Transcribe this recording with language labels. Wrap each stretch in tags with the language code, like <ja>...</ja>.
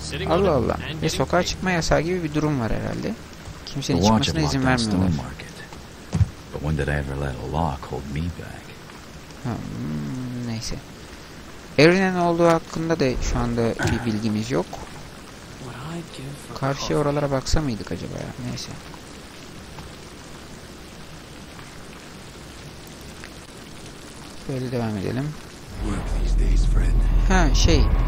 <tr>Allah Allah, ve sokağa çıkma yasağı gibi bir durum var herhalde. Kimsenin çıkmasına izin vermiyorlar.</tr> <en>But when did I ever let a lock hold me back?</en> <tr>Neyse. Erin'in olduğu hakkında da şu anda bir bilgimiz yok. Karşı oralara baksa mıydık acaba ya? Neyse. Böyle devam edelim. Ha şey.</tr>